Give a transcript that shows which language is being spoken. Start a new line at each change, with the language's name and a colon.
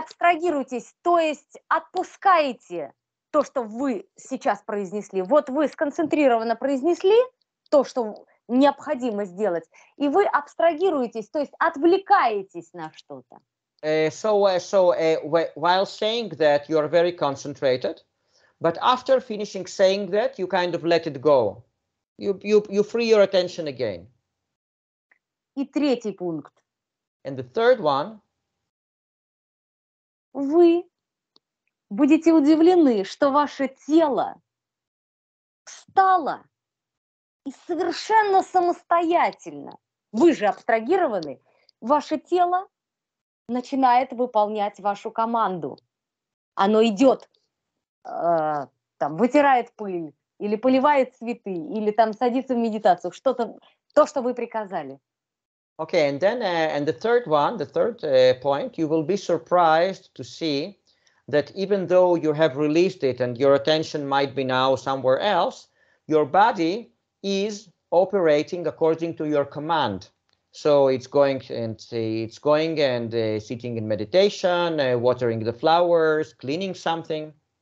Russian: абстрагируетесь, то есть отпускаете то, что вы сейчас произнесли. Вот вы сконцентрированно произнесли то, что необходимо сделать, и вы абстрагируетесь, то есть отвлекаетесь на что-то.
English: While saying that, you are very concentrated. But after finishing saying that, you kind of let it go. You free your attention again.
Russian: И третий пункт.
English: And the third one.
Russian: Вы будете удивлены, что ваше тело встало и совершенно самостоятельно. Вы же абстрагированы. Ваше тело начинает выполнять вашу команду. Оно идет. Там вытирает пыль, или поливает цветы, или там садится в медитацию, что-то, то, что вы приказали.
English: Okay, and then, and the third one, the third point, you will be surprised to see that even though you have released it and your attention might be now somewhere else, your body is operating according to your command. So it's going and sitting in meditation, watering the flowers, cleaning something.